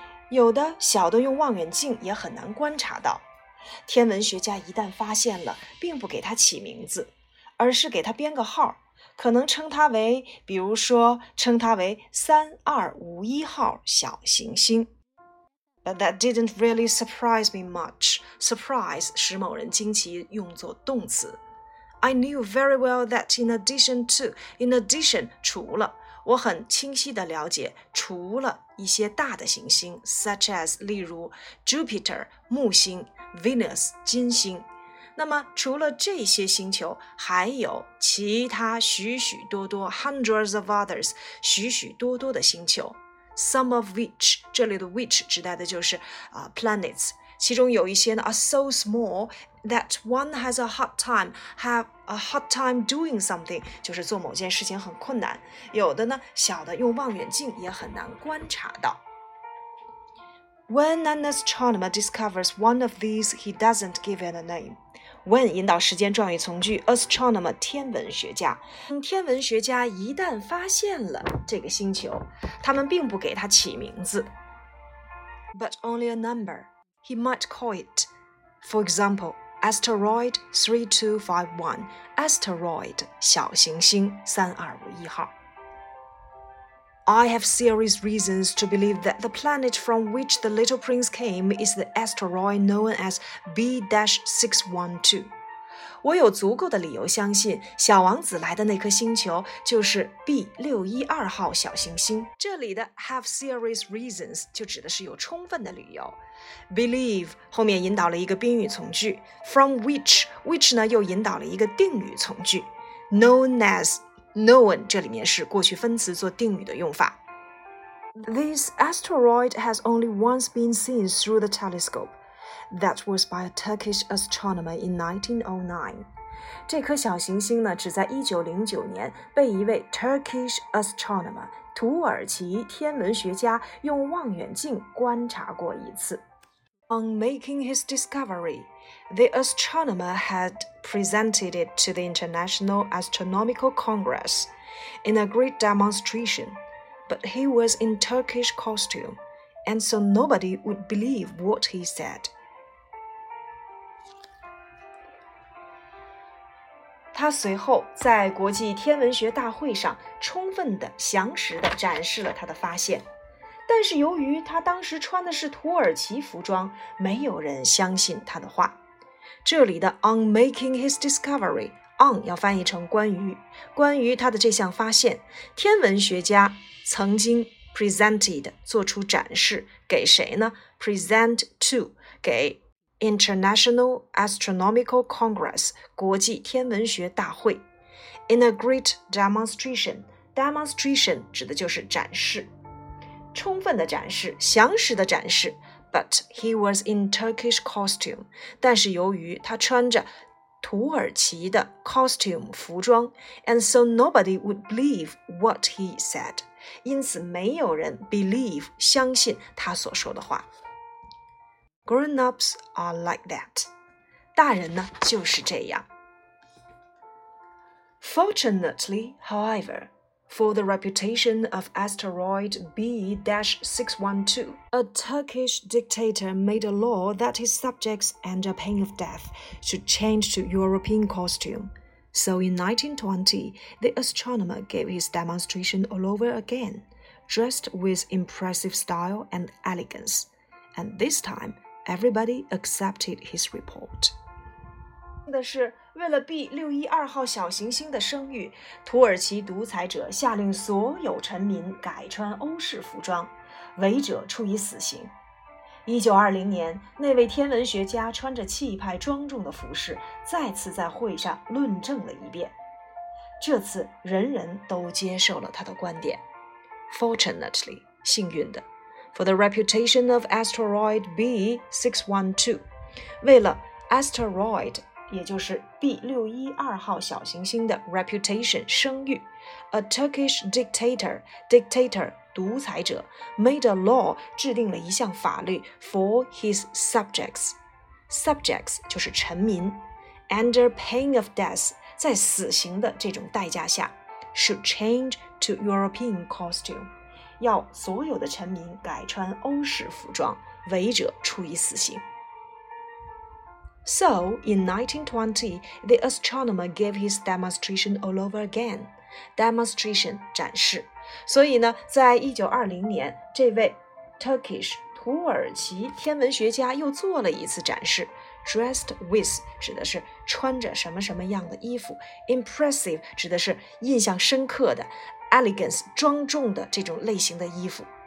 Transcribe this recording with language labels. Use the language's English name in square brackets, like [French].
[Chinese] 有的小的用望远镜也很难观察到。天文学家一旦发现了，并不给它起名字，而是给它编个号，可能称它为，比如说称它为3251号小行星。 [English] But that didn't really surprise me much. [Chinese] Surprise 使某人惊奇用作动词。 [English] I knew very well that in addition to, [Chinese] 除了，我很清晰地了解，除了一些大的行星 ,such as, 例如 Jupiter, 木星 ,Venus, 金星。那么除了这些星球，还有其他许许多多 [English] hundreds of others, [Chinese] 许许多多的星球。 [English] Some of which, [Chinese] 这里的 which 指代的就是、 [English] planets, [Chinese] 其中有一些呢 [English] are so small that one has a hard time, doing something, [Chinese] 就是做某件事情很困难。有的呢小的用望远镜也很难观察到。 [English] When an astronomer discovers one of these, he doesn't give it a name. [Chinese] When 引导时间状语从句 ,astronomer, 天文学家。天文学家一旦发现了这个星球，他们并不给它起名字。 [English] But only a number. He might call it, for example, asteroid 3251, asteroid, [Chinese] 小行星3251号。 [English] I have serious reasons to believe that the planet from which the little prince came is the asteroid known as B-612. [Chinese] 我有足够的理由相信小王子来的那颗星球就是 B-612 号小行星。这里的 [English] have serious reasons [Chinese] 就指的是有充分的理由。 Believe 后面引导了一个宾语从句 ,from which 呢又引导了一个定语从句 [English] ,known as, [Chinese] Known 这里面是过去分词做定语的用法。 [English] This asteroid has only once been seen through the telescope. That was by a Turkish astronomer in 1909. [Chinese] 这颗小行星呢，只在1909年被一位 Turkish astronomer 土耳其天文学家用望远镜观察过一次。 [English] On making his discovery, the astronomer had presented it to the International Astronomical Congress in a great demonstration, but he was in Turkish costume, and so nobody would believe what he said. [Chinese] 他随后在国际天文学大会上充分地、详实地展示了他的发现。但是由于他当时穿的是土耳其服装，没有人相信他的话。这里的 [English] on making his discovery, [Chinese] on 要翻译成关于，关于他的这项发现，天文学家曾经 presented 做出展示给谁呢？ present to 给 International Astronomical Congress 国际天文学大会。 [English] In a great demonstration, [Chinese] demonstration 指的就是展示，充分的展示，详实的展示。 [English] But he was in Turkish costume. [Chinese] 但是由于他穿着土耳其的 [English] costume 服装， And so nobody would believe what he said. [Chinese] 因此没有人 believe 相信他所说的话。 [English] Grown-ups are like that. [Chinese] 大人呢就是这样。 [English] Fortunately, however,For the reputation of asteroid B-612, a Turkish dictator made a law that his subjects under pain of death should change to European costume. So in 1920, the astronomer gave his demonstration all over again, dressed with impressive style and elegance. And this time, everybody accepted his report. [Chinese] 的是为了 B612 号小行星的声誉，土耳其独裁者下令所有臣民改穿欧式服装，违者处以死刑。 1920年，那位天文学家穿着气派庄重的服饰，再次在会上论证了一遍。这次人人都接受了他的观点。 [English] Fortunately, [Chinese] 幸运的 [English] ,for the reputation of asteroid B612, 为了 asteroid, [Chinese] 也就是 B612 号小行星的 reputation 声誉 [English] A Turkish dictator 独裁者 made a law [Chinese] 制定了一项法律 [English] for his subjects [Chinese] 就是臣民 [English] under pain of death [Chinese] 在死刑的这种代价下 [English] should change to European costume [Chinese] 要所有的臣民改穿欧式服装违者处以死刑 [English] So, in 1920, the astronomer gave his demonstration all over again. Demonstration, 展示。 [Chinese] 所以呢，在1920年，这位 Turkish, 土耳其天文学家又做了一次展示。 Dressed with, 指的是穿着什么什么样的衣服。 Impressive, 指的是印象深刻的。Elegance, 庄重的这种类型的衣服。